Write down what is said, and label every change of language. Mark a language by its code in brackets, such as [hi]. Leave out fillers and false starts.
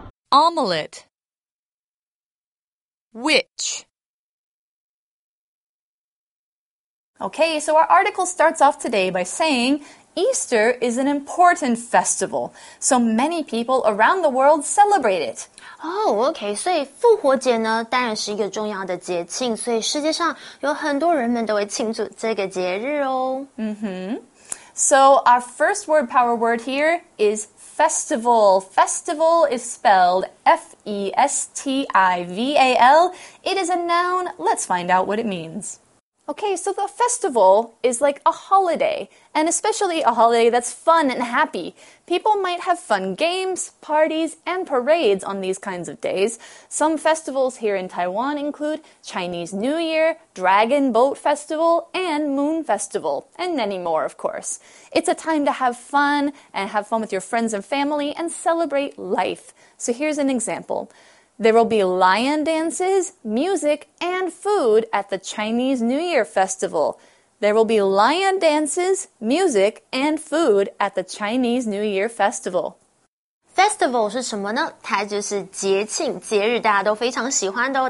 [en] Omelette Witch Okay, so our article starts off today by saying Easter is an important festival, so many people around the world celebrate it. Oh, okay, [zh] 所以复活节呢当然是一个重要的节庆，所以世界上有很多人们都会庆祝这个节日哦。 Mm-hmm. [en] So, our first word power word here is festival. Festival is spelled F-E-S-T-I-V-A-L. It is a noun. Let's find out what it means. Okay, so the festival is like a holiday, and especially a holiday that's fun and happy. People might have fun games, parties, and parades on these kinds of days. Some festivals here in Taiwan include Chinese New Year, Dragon Boat Festival, and Moon Festival, and many more, of course. It's a time to have fun and have fun with your friends and family and celebrate life. So here's an example. There will be lion dances, music, and food at the Chinese New Year Festival. There will be lion dances, music, and food at the Chinese New Year Festival. [zh] Festival 是什么呢？它就是节庆、节日，大家都非常喜欢的哦。